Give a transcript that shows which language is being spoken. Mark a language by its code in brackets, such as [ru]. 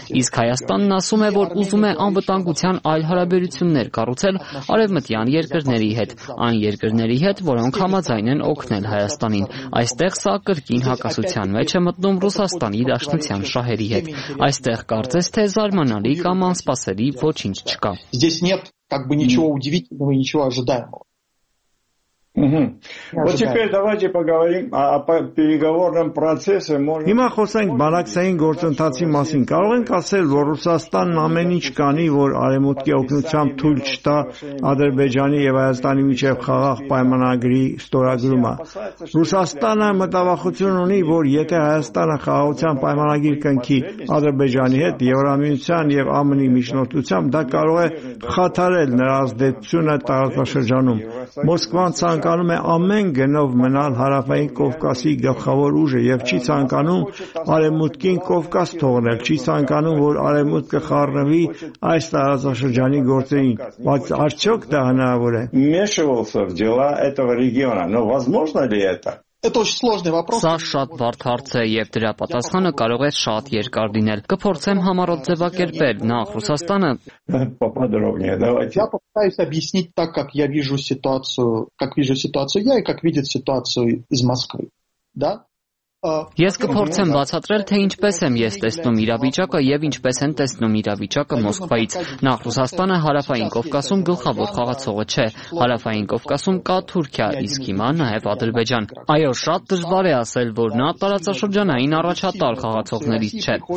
[hy] իսկ Հայաստանն ասում է, որ ուզում է անվտանգության այլ հարաբերություններ կառուցել արևմտյան երկրների հետ, այն երկրների հետ, որոնք համաձայն են օգնել Հայաստանին։ Այստեղ սա կրկին հակասության մեջ է մտնում Ռուսաստանի դաշնության շահերի հետ։ Այստեղ կարծես թե զարմանալի կամ անսպասելի ոչինչ չկա։ [ru] Здесь нет как бы ничего удивительного и ничего ожидаемого. Вот теперь давайте поговорим о переговорном процессе. [hy] Հիմա խոսենք բանակցային գործընթացի մասին։ Կարող ենք ասել, որ Ռուսաստանն ամեն ինչ կանի, որ Արևմուտքի օգնությամբ թույլ չտա Ադրբեջանի և Հայաստանի միջև խաղաղ պայմանագրի ստորագրումը։ Ռուսաստանը մտավախություն ունի, որ եթե Հայաստանը խաղաղության պայմանագիր կնքի Ադրբեջանի հետ, Եվրամիության և ԱՄՆ-ի միջնորդությամբ, դա կարող է խաթարել նրա ազդեցությունը տարածաշրջանում։ Մոսկվան ցանկանում է ամեն գնով մնալ հարավային Կովկասի գլխավոր ուժը, և չի ցանկանում Արևմուտքին Կովկաս թողնել, չի ցանկանում, որ Արևմուտքը խառնվի այս տարածաշրջանի գործերին, բայց արդյոք դա հնարավոր է։ Մեշովսը դիլա [ru] этого региона, но возможно ли это? Это очень сложный вопрос. [hy] Սա շատ բարդ հարց է, և դրա պատասխանը կարող է շատ երկար լինել։ Կփորձեմ համառոտ ձևակերպել։ Նախ, Ռուսաստանը [ru] поподробнее давайте. Я попытаюсь объяснить так, как я вижу ситуацию, как вижу ситуацию я и как видит ситуацию из Москвы. Да? [hy] Ես կփորձեմ բացատրել, թե ինչպես եմ ես տեսնում իրավիճակը և ինչպես են տեսնում իրավիճակը Մոսկվայից։ Նախ, Ռուսաստանը Հարավային Կովկասում գլխավոր խաղացողը չէ, Հարավային Կովկասում կա Թուրքիա, իսկ հիմա նաև Ադրբեջան։ Այո, շատ դժվար է ասել, որ նա տարածաշրջանային առաջատար խաղացողներից չէ։